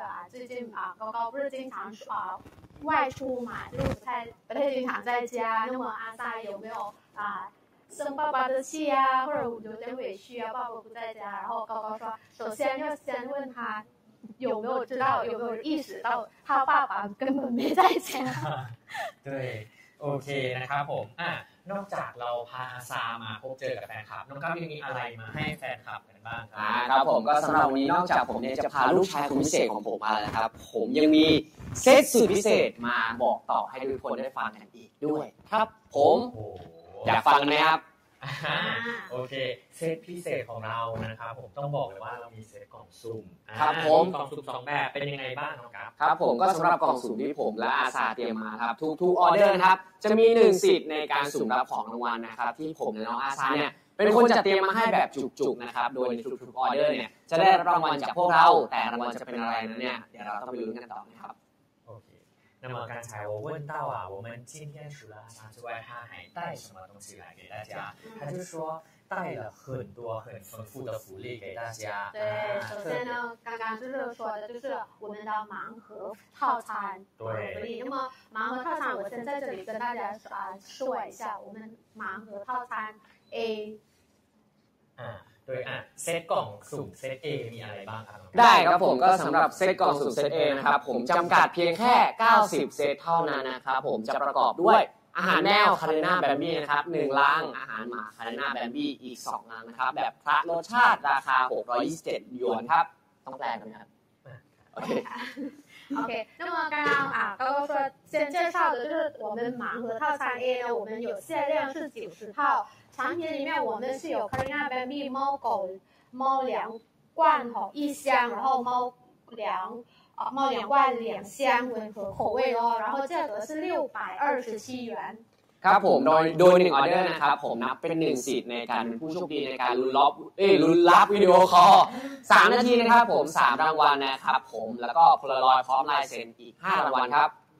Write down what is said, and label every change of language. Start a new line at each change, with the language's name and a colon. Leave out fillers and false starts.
Chinese: 最近啊，高高不是经常啊外出嘛，就在不太经常在家。那么阿萨有没有啊生爸爸的气啊，或者有点委屈啊？爸爸不在家，然后高高说，首先要先问他有没有知道，有没有意识到他爸爸根本没在家。对 ，OK， 那
Thai: ครับผมนอกจากเราพาอาซามาพบเจอกับแฟนคลับน้องก้าวยังมีอะไรมาให้แฟนคลับกันบ้างครับ ครับผมก็สำหรับวันนี้นอกจากผมเนี่ยจะพาลูกชายคนพิเศษของผมมาแล้วครับผมยังมีเซตสุดพิเศษมาบอกต่อให้ทุกคนได้ฟังกันอีกด้วยครับผมอยากฟังไหมครับ โอเคเซตพิเศษของเรานะครับผมต้องบอกเลยว่าเรามีเซตกล่องซุ่ม ครับผม กล่องซุ่มสองแบบเป็นยังไงบ้างน้องก้าว ครับผมก็สำหรับกล่องซุ่มที่ผมและอาซาเตรียมมาครับทุกออเดอร์นะครับจะมี1สิทธิ์ในการสุ่มรับของรางวัลนะครับที่ผมและน้องอาซาเนี่ยเป็นคนจัดเตรียมมาให้แบบจุกๆนะครับโดยในทุกๆออเดอร์เนี่ยจะได้รับรางวัลจากพวกเราแต่รางวัลจะเป็นอะไรนั้นเนี่ยเดี๋ยวเราต้องไปลุ้นกันต่อนะครับ โอเคนั่นหมายถึง
Chinese: 我问到啊我们今天除了阿萨之外他还带什么东西来给大家他就说带了很多很丰富的福利给大家对首先呢刚刚就是说的就是我们的盲盒套餐对福利那么盲盒套餐我先在这里跟大家说一下我们盲盒套餐 A 对啊
Thai: เซตกล่องสุ่มเซต A มีอะไรบ้างครับ ได้ครับผมก็สำหรับเซตกล่องสุ่มเซต A นะครับผมจำกัดเพียงแค่90เซตเท่านั้นนะครับผมจะประกอบด้วยอาหารแนวคาริน่าแบมบี้นะครับ1ลังอาหารหมาคาริน่าแบมบี้อีก2ลังนะครับแบบพระรสชาติราคา627หยวนครับต้องแปลกันครับ โอเคโอเค
Chinese: 那么刚刚啊高高说先介绍的就是我们盲盒套餐 A 呢我们有限量是90套产品里面我们是有卡琳娜贝米猫狗猫粮罐头一箱然后猫粮罐两箱混合口味哦然后价格是627元
Thai: ครับผมโดย1ออเดอร์นะครับผมนับเป็น1สิทธิ์ในการผู้โชคดีในการลุ้นรับวิดีโอคอล3นาทีนะครับผม3รางวัลนะครับผมแล้วก็พลอยลอยพร้อมลายเซ็นอีก5รางวัลครับ